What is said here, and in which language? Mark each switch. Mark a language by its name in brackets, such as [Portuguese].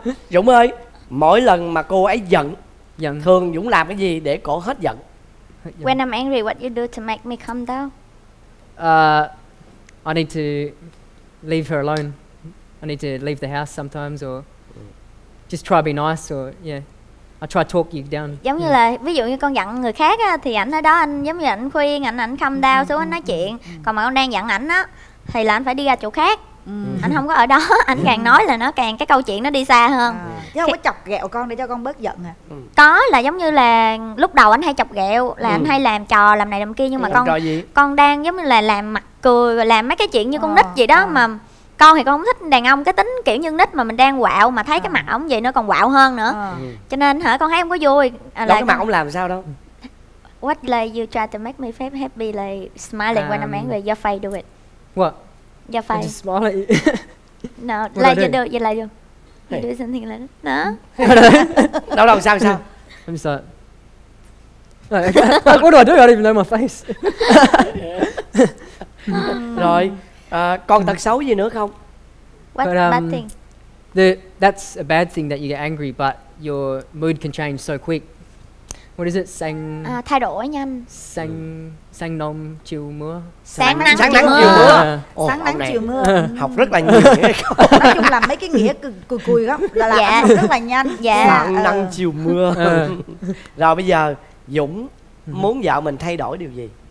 [Vietnamese] Dũng ơi, mỗi lần mà cô ấy giận, giận, thường Dũng làm cái gì để cổ hết giận? [English] When I'm angry, what you do to make me calm down? I need to leave her alone. I need to leave the house sometimes or just try to be nice or yeah. I try to talk you down. [Vietnamese] Giống như là ví dụ như con giận người khác á, thì ảnh ở đó anh giống như ảnh khuyên, ảnh [English] calm down [Vietnamese] xuống, ảnh nói chuyện. Còn mà con đang giận ảnh á thì là anh phải đi ra chỗ khác. Anh không có ở đó, anh càng nói là nó càng cái câu chuyện nó đi xa hơn. Chứ không có chọc ghẹo con để cho con bớt giận à? Có, là giống như là lúc đầu anh hay chọc ghẹo là anh hay làm trò làm này làm kia, nhưng mà con đang giống như là làm mặt cười, làm mấy cái chuyện như con nít vậy đó. Mà con thì con không thích đàn ông cái tính kiểu như nít, mà mình đang quạo mà thấy cái mặt ổng vậy nó còn quạo hơn nữa. Cho nên hả, con thấy không có vui. Là cái mặt ổng làm sao đâu. [English] What like you try to make me feel happy, like smiling when I'm angry, your face do it. What? Your face. I just smile at you. No, what like you do, you like you. You do something like that. No. [Vietnamese] Đâu đâu, sao sao? [English] I'm sorry. Like, what do I do? I don't even know my face. [Vietnamese] Rồi. Còn tật xấu gì nữa không? [English] What bad thing? That's a bad thing that you get angry, but your mood can change so quick. What is it? Sang [Vietnamese] thay đổi nhanh. Sang sang nông chiều mưa. Sáng nắng chiều mưa. Sáng nắng chiều mưa. Học rất là nhiều. Nói chung là mấy cái nghĩa cùi cùi góc là dạ, rất là nhanh. Dạ. Sáng nắng chiều mưa. Rồi bây giờ Dũng muốn vợ mình thay đổi điều gì?